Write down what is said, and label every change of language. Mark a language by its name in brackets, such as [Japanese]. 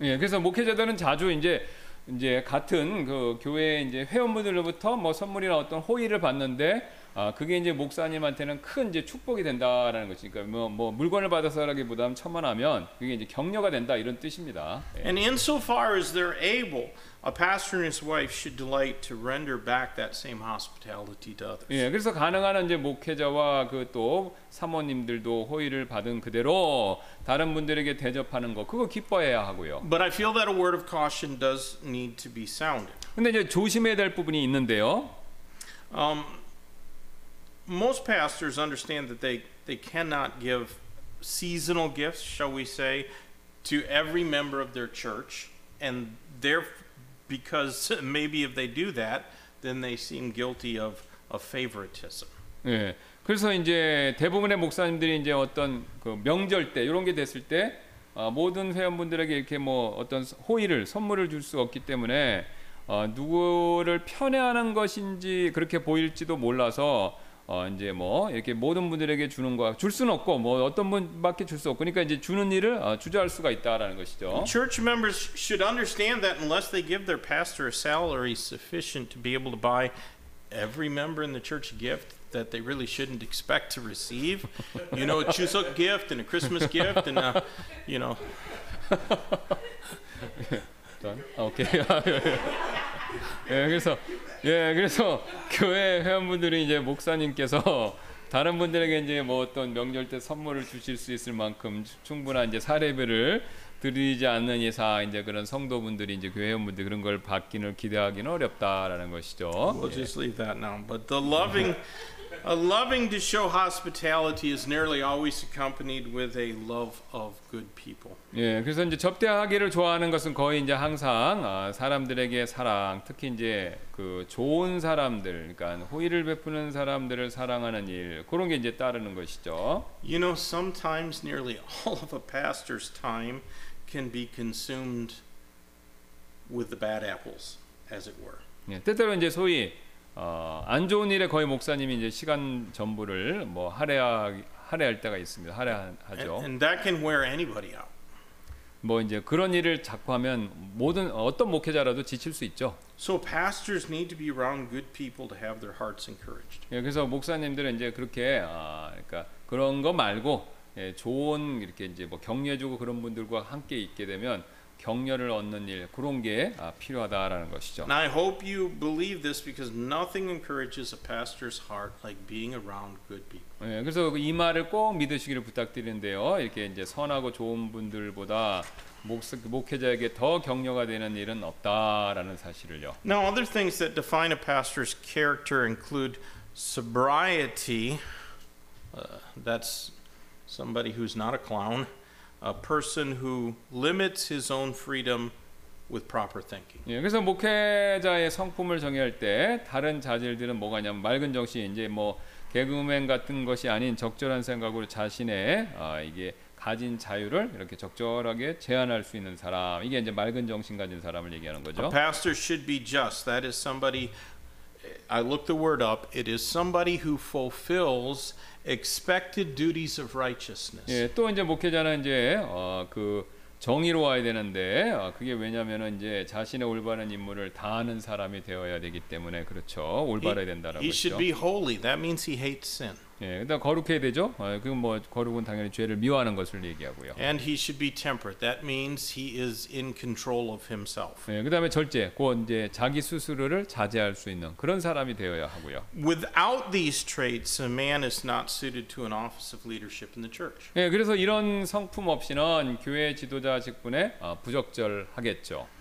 [Korean] 예, 그래서 목회자들은 자주 이제 같은 그 교회 이제 회원분들로부터 뭐 선물이나 어떤 호의를 받는데 그게 이제 목사님한테는 큰 이제 축복이 된다라는 것이니까 뭐 물건을 받아서라기보다는 천만하면 그게 이제 격려가 된다 이런 뜻입니다. 예. [English] And in so far as they're able, a pastor and his wife should delight to render back that same hospitality to others. [Korean] 예, 그래서 가능한 이제 목회자와 그 또 사모님들도 호의를 받은 그대로 다른 분들에게 대접하는 거 그거 기뻐해야 하고요. [English] But I feel that a word of caution does need to be sounded. [Korean] 근데 이제 조심해야 될 부분이 있는데요. [English] Most pastors understand that they cannot give seasonal gifts, shall we say, to every member of their church, and therefore, because maybe if they do that, then they seem guilty of favoritism. [Korean] 예, 그래서 이제 대부분의 목사님들이 이제 어떤 그 명절 때 이런 게 됐을 때 모든 회원분들에게 이렇게 뭐 어떤 호의를 선물을 줄 수 없기 때문에 누구를 편애하는 것인지 그렇게 보일지도 몰라서. 이제 뭐 이렇게 모든 분들에게 주는 거 줄 수는 없고 뭐 어떤 분밖에 줄 수 없고 그러니까 이제 주는 일을 주저할 수가 있다라는 것이죠. [English] Church members should understand that unless they give their pastor a salary sufficient to be able to buy every member in the church gift that they really shouldn't expect to receive, you know, a Chuseok gift and a Christmas gift and a, you know. Done. Okay. [Korean] 예, 그래서 예, 그래서 교회 회원분들이 이제 목사님께서 다른 분들에게 이제 뭐 어떤 명절 때 선물을 주실 수 있을 만큼 충분한 이제 사례비를 드리지 않는 이상 이제 그런 성도분들이 이제 교회 회원분들 그런 걸 받기는 기대하기는 어렵다라는 것이죠. [English] We'll just leave that now. But the loving a loving to show hospitality is nearly always accompanied with a love of good people. [Korean] 예, 그래서 이제 접대하기를 좋아하는 것은 거의 이제 항상 사람들에게 사랑, 특히 이제 그 좋은 사람들, 그러니까 호의를 베푸는 사람들을 사랑하는 일, 그런 게 이제 따르는 것이죠. [English] You know, sometimes nearly all of a pastor's time can be consumed with the bad apples, as it were. [Korean] 예, 때때로 이제 소위 안 좋은 일에 거의 목사님이 이제 시간 전부를 뭐 할애할 때가 있습니다. 할애하죠. [English] And that can wear anybody out. [Korean] 뭐 이제 그런 일을 자꾸 하면 모든 어떤 목회자라도 지칠 수 있죠. [English] So pastors need to be around good people to have their hearts encouraged. [Korean] 예, 그래서 목사님들은 이제 그렇게 그러니까 그런 거 말고 예, 좋은 이렇게 이제 뭐 격려해주고 그런 분들과 함께 있게 되면 격려를 얻는 일 그런 게 필요하다라는 것이죠. [English] And I hope you believe this because nothing encourages a pastor's heart like being around good people. [Korean] 예, 그래서 이 말을 꼭 믿으시기를 부탁드리는데요. 이렇게 이제 선하고 좋은 분들보다 목회자에게 더 격려가 되는 일은 없다라는 사실을요. [English] Now other things that define a pastor's character include sobriety. That's somebody who's not a clown. A person who limits his own freedom with proper thinking. [Korean] 예, 그래서 목회자의 성품을 정의할 때 다른 자질들은 뭐가냐면 맑은 정신, 이제 뭐 개그맨 같은 것이 아닌 적절한 생각으로 자신의 이게 가진 자유를 이렇게 적절하게 제한할 수 있는 사람, 이게 이제 맑은 정신 가진 사람을 얘기하는 거죠. [English] A pastor should be just. That is somebody. I looked the word up. It is somebody who fulfills expected duties of righteousness. [Korean] 예, 또 이제 목회자는 이제 그 정의로워야 되는데 그게 왜냐하면 이제 자신의 올바른 임무를 다하는 사람이 되어야 되기 때문에 그렇죠. 올바라야 된다라고 했죠. [English] He should be holy. That means he hates sin. [Korean] 예, 그다음 거룩해야 되죠. 그럼 뭐 거룩은 당연히 죄를 미워하는 것을 얘기하고요. [English] And he should be temperate. That means he is in control of himself. [Korean] 예, 그다음에 절제, 곧 이제 자기 스스로를 자제할 수 있는 그런 사람이 되어야 하고요. [English] Without these traits, a man is not suited to an office of leadership in the church. [Korean] 예, 그래서 이런 성품 없이는 교회 지도자 직분에 부적절하겠죠.